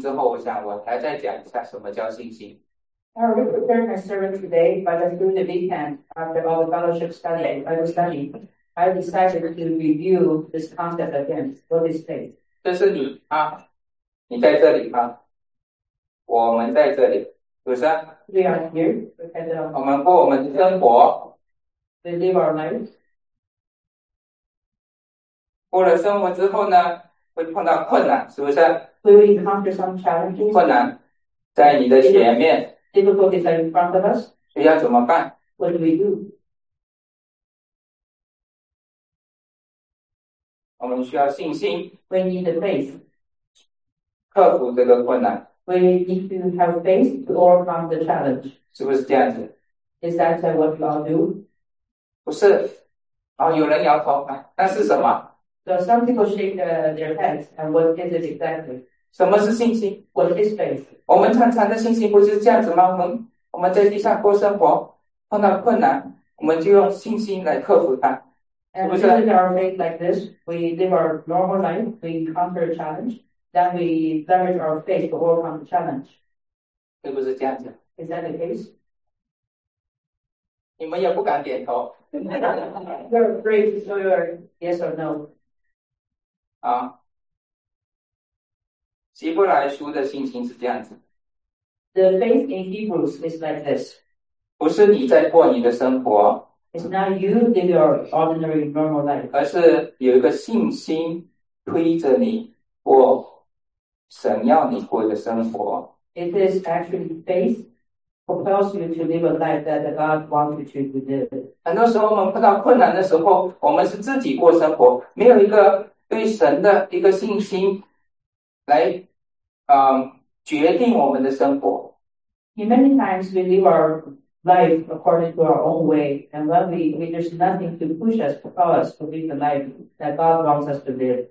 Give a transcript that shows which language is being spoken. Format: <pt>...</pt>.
<zh>我本来今天的这个信息预备好了，但是经过了这个周末的查经之后，我想我还在讲一下什么叫信心。</zh> <en>I already prepared my sermon today, but during the weekend after all the fellowship study, Bible study, I decided to review this concept again. What is faith?</en> <zh>这是你啊，你在这里啊。我们在这里，是不是？</zh> <en>We are here. Because,</en> <zh>我们过我们的生活。</zh> <en>We live our lives.</en> <zh>过了生活之后呢，会碰到困难，是不是？</zh> <en>We will encounter some challenges.</en> <zh>困难在你的前面。</zh> <en>Difficulties are in front of us.</en> <zh>要怎么办？</zh> <en>What do we do?</en> <zh>我们需要信心。</zh> <en>We need the faith.</en> <zh>克服这个困难。</zh> <en>We need to have faith to overcome the challenge.</en> <zh>是不是这样子?</zh> <en>Is that what you all do?</en> <zh>不是, 有人摇头,</zh> <en>so some people shake their heads, and what is it exactly?</en> <zh>什么是信心?</zh> <en>What is faith?</en> <zh>我们常常的信心不是这样子吗?我们在地上过生活,碰到困难, 我们就用信心来克服它,</zh> <en>and this is our faith like this. We live our normal life, we encounter a challenge. Then we leverage our faith to overcome the challenge.</en> <zh>是不是这样子?</zh> <en>Is that the case?</en> <zh>你们也不敢点头。</zh> <en>You're afraid to show your yes or no.</en> <zh>希伯来书的信心是这样子。</zh> <en>The faith in Hebrews is like this.</en> <zh>不是你在过你的生活。</zh> <en>It's not you in your ordinary normal life.</en> <zh>而是有一个信心推着你过。神要你过的生活,</zh> <en>it is actually faith propels you to live a life that God wants you to live.</en> <zh>很多时候我们碰到困难的时候，我们是自己过生活，没有一个对神的一个信心来决定我们的生活。</zh> <en>Many times we live our life according to our own way, and when there's nothing to push us, propel us to live the life that God wants us to live.</en>